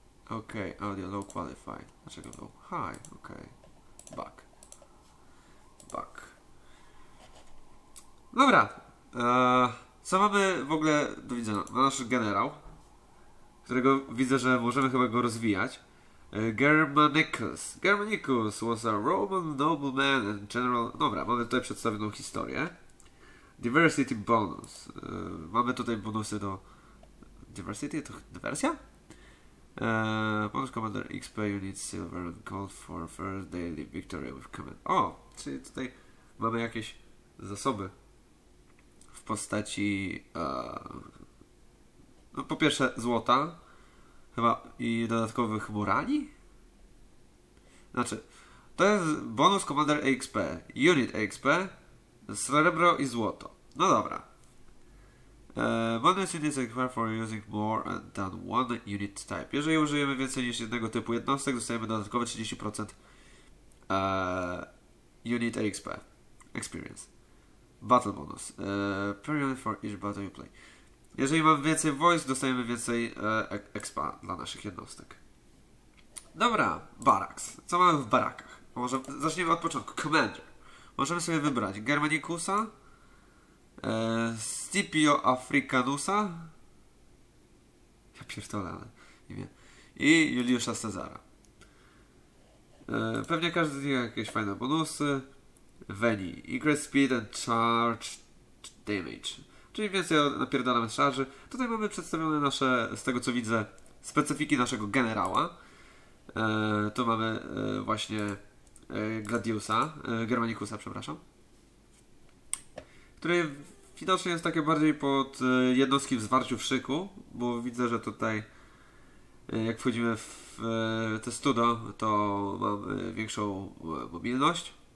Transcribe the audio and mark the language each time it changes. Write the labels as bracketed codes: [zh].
[en] Ok, audio low qualified. [pl] Dlaczego [en] low? High, ok. Back. Back. [pl] Dobra. Co mamy w ogóle do widzenia? No, nasz generał, którego widzę, że możemy chyba go rozwijać. Germanicus. [en] Germanicus was a Roman nobleman and general... [pl] Dobra, mamy tutaj przedstawioną historię. [en] Diversity bonus. [pl] Mamy tutaj bonusy do... Diversity? To dywersja? [en] Bonus commander XP unit silver and gold for first daily victory with command. [pl] O! Czyli tutaj mamy jakieś zasoby w postaci... No, po pierwsze złota, chyba i dodatkowych morali? Znaczy, to jest [en] bonus commander EXP, unit EXP, [pl] srebro i złoto. No dobra. [en] Bonus units EXP for using more than one unit type. [pl] Jeżeli użyjemy więcej niż jednego typu jednostek, dostajemy dodatkowe 30% unit EXP, experience. [en] Battle bonus, per unit for each battle you play. [pl] Jeżeli mamy więcej wojsk, dostajemy więcej expa dla naszych jednostek. Dobra, baraks. Co mamy w barakach? Może zaczniemy od początku. Commander. Możemy sobie wybrać Germanicusa, Scipio Africanusa. Ja pierdolę, ale nie wiem. I Juliusza Cezara. Pewnie każdy z nich ma jakieś fajne bonusy. Veni. [en] Increase speed and charge damage. [pl] Czyli więcej napierdalamy szarży. Tutaj mamy przedstawione nasze, z tego co widzę, specyfiki naszego generała. Tu mamy właśnie Gladiusa, Germanicusa, przepraszam. Który widocznie jest takie bardziej pod jednostki w zwarciu w szyku, bo widzę, że tutaj jak wchodzimy w te studo, to mamy większą mobilność.